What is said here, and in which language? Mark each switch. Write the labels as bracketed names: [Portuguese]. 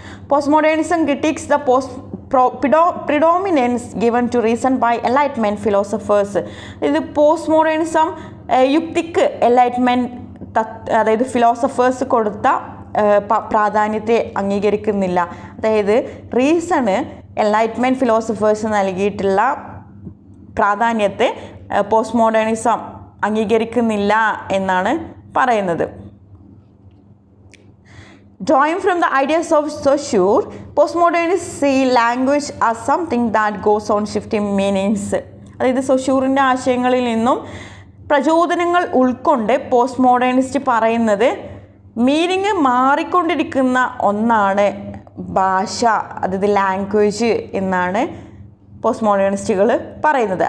[English] Postmodernism critics the post predominance given to reason by enlightenment philosophers. [Malayalam] ഇത് post modernism യുക്തിക്ക് enlightenment അതായത് philosophers കൊടുത്ത പ്രാധാന്യത്തെ അംഗീകരിക്കുന്നില്ല. അതായത് റീസണ് എൻലൈറ്റ്മെൻറ്റ് ഫിലോസഫേഴ്സ് നൽകിയിട്ടുള്ള പ്രാധാന്യത്തെ പോസ്റ്റ് മോഡേണിസം അംഗീകരിക്കുന്നില്ല എന്നാണ് പറയുന്നത്. [English] Drawing from the ideas of Saussure, postmodernists see language as something that goes on shifting meanings. [Malayalam] അതായത് സൊഷൂറിൻ്റെ ആശയങ്ങളിൽ നിന്നും പ്രചോദനങ്ങൾ ഉൾക്കൊണ്ട് പോസ്റ്റ് മോഡേണിസ്റ്റ് പറയുന്നത് മീനിങ് മാറിക്കൊണ്ടിരിക്കുന്ന ഒന്നാണ് ഭാഷ, അതായത് ലാംഗ്വേജ് എന്നാണ് പോസ്റ്റ് മോഡേണിസ്റ്റുകൾ പറയുന്നത്.